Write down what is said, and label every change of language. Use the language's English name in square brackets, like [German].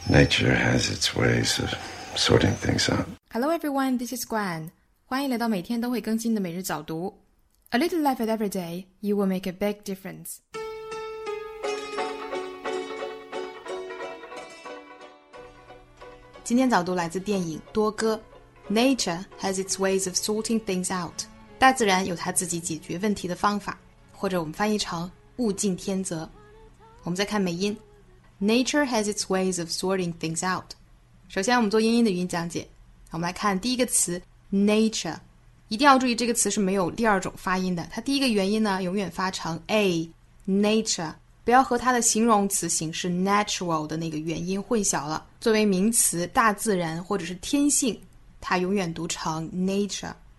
[English] Nature has its ways of sorting things out. Hello everyone, this is Gwen. [Chinese] 欢迎来到每天都会更新的每日早读。 [English] A little effort every day, you will make a big difference. [Chinese] 今天早读来自电影《多哥》。 [English] Nature has its ways of sorting things out. [Chinese] 大自然有它自己解决问题的方法，或者我们翻译成物竞天择。我们再看美音。 [English] Nature has its ways of sorting things out. [Chinese] 首先我们做英音的语音讲解。我们来看第一个词 ,nature。一定要注意这个词是没有第二种发音的。它第一个元音呢永远发成 a,nature。不要和它的形容词形式 natural 的那个元音混淆了。作为名词大自然或者是天性它永远读成 nature。